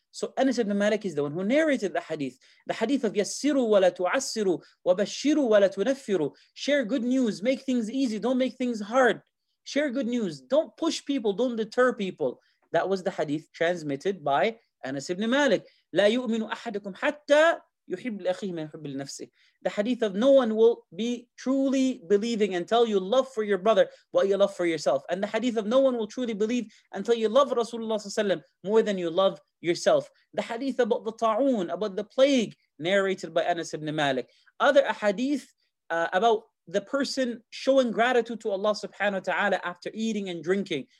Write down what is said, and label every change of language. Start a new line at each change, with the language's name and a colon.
English: So Anas ibn Malik is the one who narrated the hadith. The hadith of
Arabic: yassiru wa la tu'assiru wa bashiru wa la tunaffiru.
English: Share good news, make things easy, don't make things hard. Share good news, don't push people, don't deter people. That was the hadith transmitted by Anas ibn Malik.
Arabic: لا يؤمن أحدكم حتى يحب لأخيه ما يحب لنفسه.
English: The hadith of no one will be truly believing until you love for your brother what you love for yourself. And the hadith of no one will truly believe until you love Rasulullah ﷺ more than you love yourself. The hadith about the ta'un, about the plague, narrated by Anas ibn Malik. Other hadith about the person showing gratitude to Allah subhanahu wa ta'ala after eating and drinking.